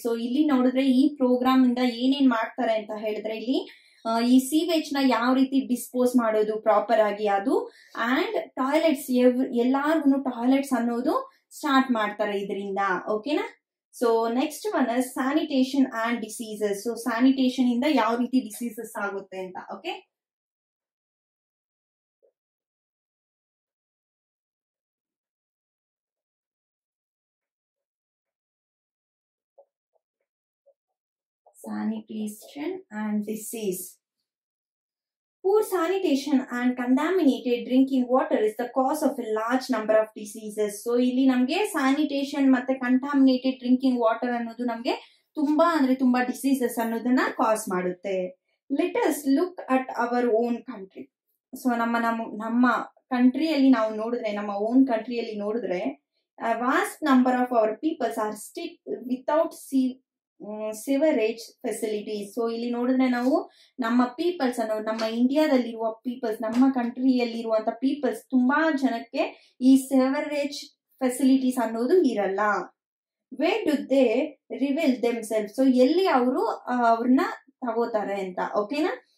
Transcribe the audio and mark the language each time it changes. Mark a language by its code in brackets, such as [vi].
[kn] So ಇಲ್ಲಿ ನೋಡಿದ್ರೆ ಈ ಪ್ರೋಗ್ರಾಮ್ ಇಂದ ಏನೇನ್ ಮಾಡ್ತಾರೆ ಅಂತ ಹೇಳಿದ್ರೆ, ಇಲ್ಲಿ ಈ ಸೀವೇಜ್ ನ ಯಾವ ರೀತಿ ಡಿಸ್ಪೋಸ್ ಮಾಡೋದು ಪ್ರಾಪರ್ ಆಗಿ ಅದು, ಅಂಡ್ ಟಾಯ್ಲೆಟ್ಸ್ ಎಲ್ಲಾರ್ಗು ಟಾಯ್ಲೆಟ್ಸ್ ಅನ್ನೋದು ಸ್ಟಾರ್ಟ್ ಮಾಡ್ತಾರೆ ಇದರಿಂದ. ಓಕೆನಾ? So next one sanitation and diseases. So sanitation ಇಂದ ಯಾವ ರೀತಿ ಡಿಸೀಸಸ್ ಆಗುತ್ತೆ ಅಂತ. [en] Okay, sanitation and disease. Poor sanitation and contaminated drinking water is the cause of a large number of diseases. [kn] So ಇಲ್ಲಿ ನಮ್ಗೆ sanitation ಮತ್ತೆ contaminated drinking water ಅನ್ನೋದು ನಮ್ಗೆ ತುಂಬಾ ಅಂದ್ರೆ ತುಂಬಾ diseases ಅನ್ನೋದನ್ನ cause ಮಾಡುತ್ತೆ. [en] Let us look at our own country. [kn] So ನಮ್ಮ ಕಂಟ್ರಿಯಲ್ಲಿ ನಾವು ನೋಡಿದ್ರೆ, ನಮ್ಮ ಓನ್ ಕಂಟ್ರಿಯಲ್ಲಿ ನೋಡಿದ್ರೆ, [en] a vast number of our peoples are still without sewerage facilities. [kn] So ಇಲ್ಲಿ ನೋಡಿದ್ರೆ ನಾವು ನಮ್ಮ ಪೀಪಲ್ಸ್ ಅನ್ನು ನಮ್ಮ ಇಂಡಿಯಾದಲ್ಲಿರುವ ಪೀಪಲ್ಸ್, ನಮ್ಮ ಕಂಟ್ರಿಯಲ್ಲಿರುವಂತ ಪೀಪಲ್ಸ್ ತುಂಬಾ ಜನಕ್ಕೆ ಈ ಸೆವರೇಜ್ ಫೆಸಿಲಿಟೀಸ್ ಅನ್ನೋದು ಇರಲ್ಲ. [en] Where do they reveal them self. [kn] So ಎಲ್ಲಿ ಅವರು ಅವ್ರನ್ನ ತಗೋತಾರೆ ಅಂತ. ಓಕೆನಾ?